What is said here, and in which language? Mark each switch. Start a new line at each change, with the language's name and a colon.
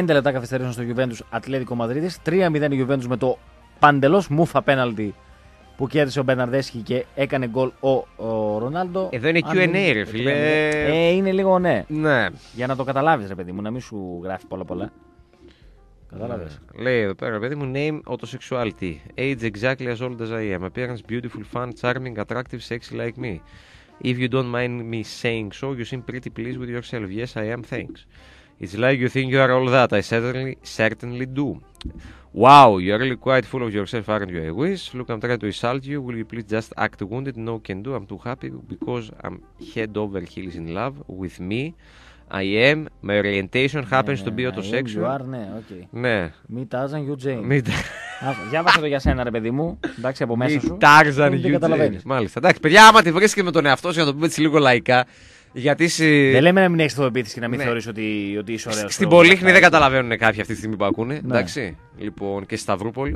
Greek: 5 λεπτά καθυστερήσαν στο Juventus Ατλέτικο Μαδρίτης. 3-0 η Juventus με το παντελώς μούφα πέναλτι που κέρδισε ο Μπερναρδέσκι και έκανε γκολ ο Ρονάλντο. Εδώ είναι Q&A, είναι, ρε φίλε. Είναι λίγο ναι. Ναι. Για να το καταλάβεις, ρε παιδί μου, να μην σου γράφει πολλά. Κατάλαβες. Λέει εδώ πέρα, παιδί μου,
English: name autosexuality. Age exactly as old as I am. Appearance beautiful, fun, charming, attractive, sexy like me. If you don't mind me saying so, you seem pretty pleased with yourself. Yes, I am, thanks. It's like you think you are all that. I certainly do. Wow, you are really quite full of yourself, aren't you? I wish. Look, I'm trying to insult you. Will you please just act wounded? No can do. I'm too happy because I'm head over heels in love with me. I am, my orientation happens to be autosexual. You are,
Greek: ναι,
English: ok.
Greek: Ναι.
English: Me Tarzan, you Jane. Me
Greek: διάβασε το για σένα, ρε παιδί μου. Εντάξει, από μέσα
English: me
Greek: σου.
English: Me Tarzan, you Jane.
Greek: Μάλιστα. Εντάξει, παιδιά, άμα τη βρίσκεται με τον εαυτό σου, για να το πούμε έτσι λίγο λαϊκά. Γιατί είσαι... Δεν λέμε να μην έχει αυτοπεποίθηση και να μην θεωρεί ότι είσαι ωραίο. Στην Πολύχνη δεν καταλαβαίνουν κάποιοι αυτή τη στιγμή που ακούνε. Ναι. Εντάξει. Λοιπόν, και στη Σταυρούπολη.